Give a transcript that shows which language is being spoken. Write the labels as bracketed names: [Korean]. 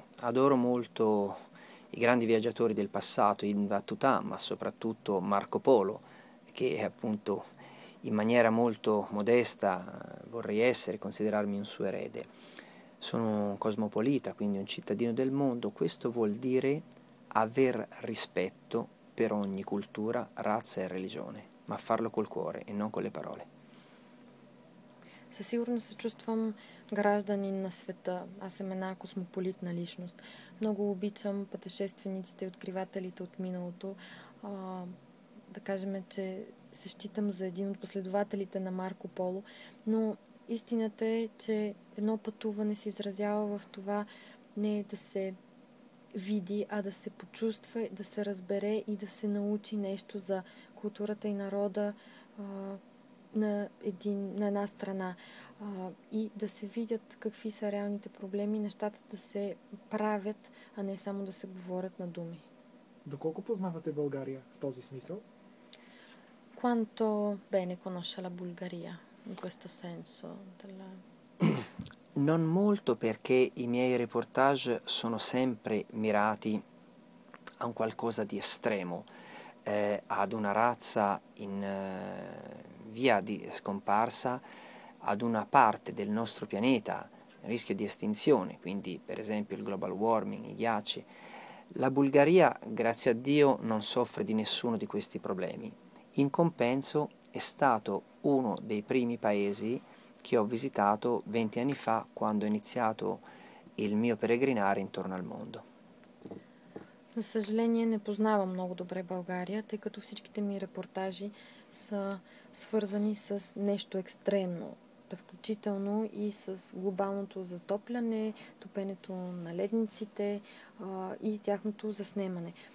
[Italian] Adoro molto i grandi viaggiatori del passato, Ibn Battuta, ma soprattutto Marco Polo, che è appunto in maniera molto modesta vorrei essere, considerarmi un suo erede. Sono un cosmopolita, quindi un cittadino del mondo. Questo vuol dire aver rispetto per ogni cultura, razza e religione, ma farlo col cuore e non con le parole. [Bulgarian] Със сигурност се чувствам гражданин на света. Аз съм една космополитна личност. Много обичам пътешествениците и откривателите от миналото. Да кажем, че се считам за един от последователите на Марко Поло. Но истината е, че едно пътуване се изразява в това не да се види, а да се почувства, да се разбере и да се научи нещо за културата и народа на една страна и да се видят какви са реалните проблеми, нещата да се правят, а не само да се говорят на думи. Доколко познавате България в този смисъл? [Italian] Quanto bene conosce la Bulgaria in questo senso della... Non molto, perché i miei reportage sono sempre mirati a un qualcosa di estremo, ad una razza in via di scomparsa, ad una parte del nostro pianeta a rischio di estinzione, quindi per esempio il global warming, i ghiacci. La Bulgaria, grazie a Dio, non soffre di nessuno di questi problemi. In compenso è stato uno dei primi paesi che ho visitato 20 anni fa quando ho iniziato il mio peregrinare intorno al mondo. [Bulgarian] За съжаление, не познавам много добре България, тъй като всичките ми репортажи са свързани с нещо екстремно, включително и с глобалното затопляне, топенето на ледниците и тяхното заснемане.